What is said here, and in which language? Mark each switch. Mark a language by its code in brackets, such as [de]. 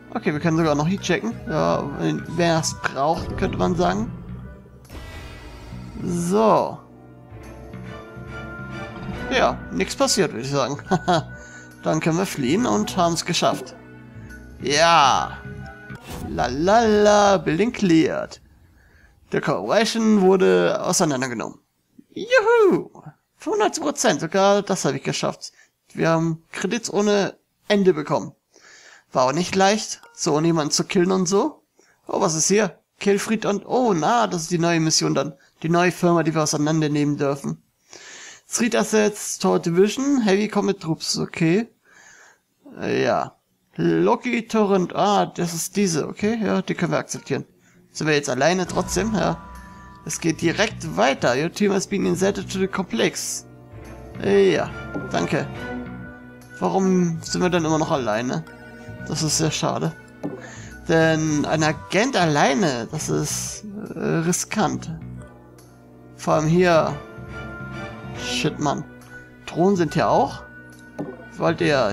[de] Okay, wir können sogar noch hier checken. Ja, wer es braucht, könnte man sagen. So. Ja, nichts passiert, würde ich sagen. Dann können wir fliehen und haben es geschafft. Ja. [en] Lalala, Building cleared. [de] Der Corporation wurde auseinandergenommen. Juhu! 95%, sogar das habe ich geschafft. Wir haben Kredits ohne Ende bekommen. War auch nicht leicht, so ohne jemanden zu killen und so. Oh, was ist hier? Killfried und... Oh, na, das ist die neue Mission dann. Die neue Firma, die wir auseinandernehmen dürfen. [en] Street Assets, Tor Division, Heavy Comet Troops, okay. Ja. [de] Loki Torrent, ah, das ist diese, okay. Ja, die können wir akzeptieren. Sind wir jetzt alleine trotzdem, ja. Es geht direkt weiter. [en] Your team has been inserted to the complex. [de] Ja, danke. Warum sind wir dann immer noch alleine? Das ist sehr schade. Denn ein Agent alleine, das ist riskant. Vor allem hier. Shit, Mann. Drohnen sind hier auch. Wollt ihr?